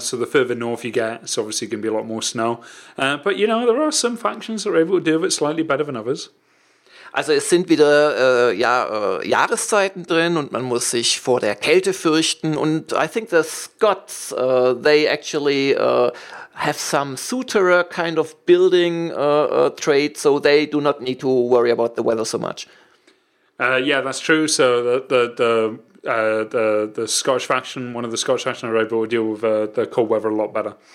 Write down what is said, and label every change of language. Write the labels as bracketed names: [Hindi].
[English] So the further north you get, it's obviously going to be a lot more snow. But, you know, there are some factions that are able to deal with it slightly better than others. [German] Also es sind wieder Jahreszeiten drin und man muss sich vor der Kälte fürchten. Und [English] I think the Scots, they actually have some suturer kind of building trait, so they do not need to worry about the weather so much. Yeah, that's true. So the Scottish faction, one of the Scottish factions, are able to deal with the cold weather a lot better.